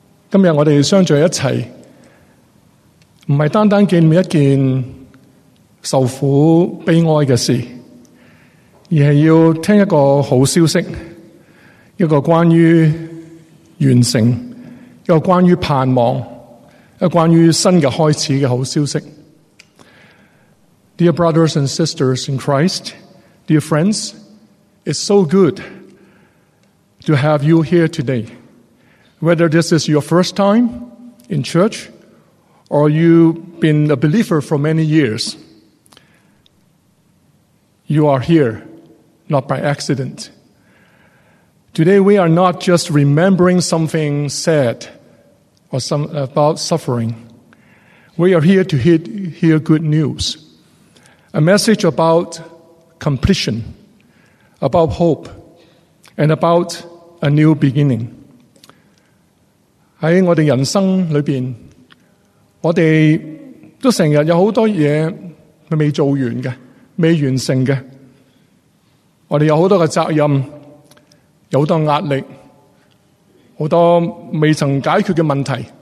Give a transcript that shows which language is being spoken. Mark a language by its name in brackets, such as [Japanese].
[Chinese] 今日我们相聚一起，不是单单见面一件受苦悲哀的事，而是要听一个好消息，一个关于完成，一个关于盼望，一个关于新的开始的好消息。 [English] Dear brothers and sisters in Christ, dear friends, it's so good to have you here today. Whether this is your first time in church, or you've been a believer for many years, you are here. Not by accident. Today we are not just remembering something sad or some about suffering. We are here to hear good news. A message about completion, about hope, and about a new beginning. [Chinese] 在我们人生里面，我们都成日有很多事情未做完的，未完成的。我们有很多的责任，有很多压力，很多未曾解决的问题。